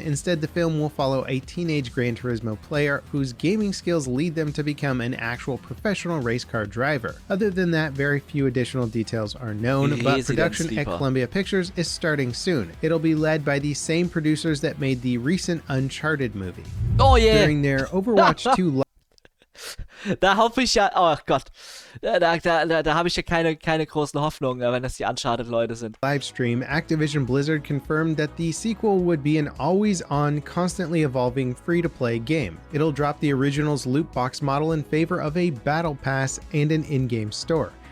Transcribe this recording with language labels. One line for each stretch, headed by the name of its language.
English: Instead, the film will follow a teenage Gran Turismo player whose gaming skills lead them to become an actual professional race car driver. Other than that, very few additional details are known, but production at Columbia Pictures is starting soon. It'll be led by the same producers that made the recent Uncharted movie. Oh, yeah! During their Overwatch 2 live...
German: Da hoffe ich ja, oh Gott, da habe ich ja keine großen Hoffnungen, wenn das die Uncharted-Leute sind.
English: Livestream, Activision Blizzard confirmed that the sequel would be an always-on, constantly evolving free-to-play game. It'll drop the original's loot box model in favor of a battle pass and an in-game store.